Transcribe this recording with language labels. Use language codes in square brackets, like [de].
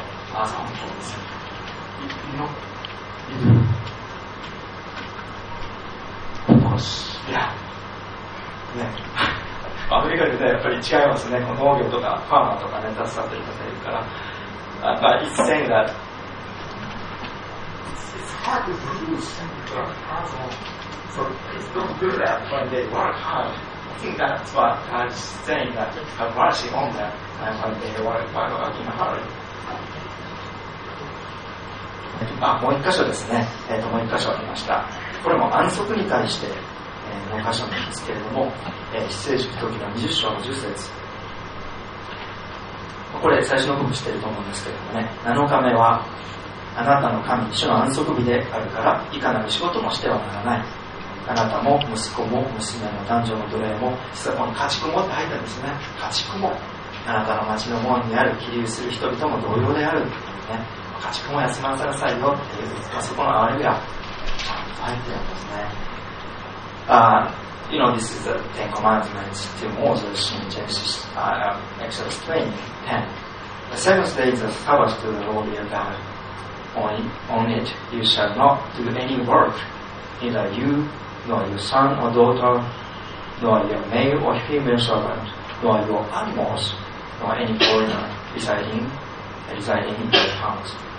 [en] Muzzle, of course. Of course. Yeah. [ja] アメリカでね、やっぱり違いますね。農業とかファーマーとかね、携わってる方いるから。 [en] But it's saying that it's hard to do something like a muzzle. So it's not good at when they work hard. I think that's what God is saying, that have mercy on them when they work in a hurry. [ja] あ、もう一箇所ですね。もう一箇所ありました。これも安息に対して、もう一箇所なんですけれども、出エジプト記の20章の10節。これ最初の部分知ってると思うんですけれどもね。7日目はあなたの神、主の安息日であるから、いかなる仕事もしてはならない。あなたも息子も娘の男女の奴隷も、実はこの家畜もって入ったんですね。家畜もあなたの町の門にある起立する人々も同様であるね。家畜も休ませなさいよっていう、まあ、そこの哀れみが入ってるんですね。 [en] You know, this is the Ten Commandments to Moses in Genesis, Exodus 20:10. The seventh day is a Sabbath to the Lord your God. On it you shall not do any work, neither you. Nor your son or daughter, nor your male or female servant, nor your animals, nor any foreigner residing in your house.